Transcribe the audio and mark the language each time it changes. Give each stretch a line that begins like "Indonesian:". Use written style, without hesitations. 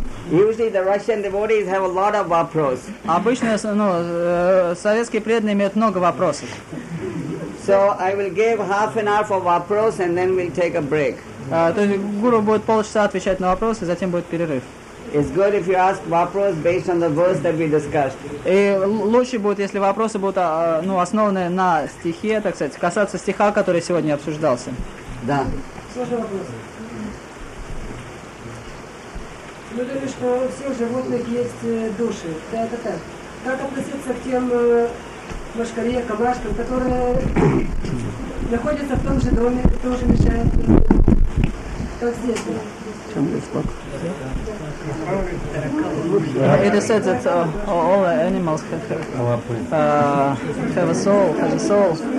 English: Usually the Russian devotees have a lot of vapros.
Russian: Обычно, ну, советские преданные имеют много вопросов.
English: So I will give half an hour for vapros and then we'll take a break.
Russian: То есть гуру будет полчаса отвечать на вопросы, затем будет перерыв.
English: It's good if you ask vapros based on the verse that we discussed.
Russian: И лучше будет, если вопросы будут, ну, основаны на стихе, так сказать, касаться стиха, который сегодня обсуждался. Да. Вы говорили, что у всех животных есть души. Так. Как относиться к тем мошкаре, камашкам, которые находятся в том же доме, тоже мешают, как здесь?
English: It is said that all the animals have a soul, have a soul.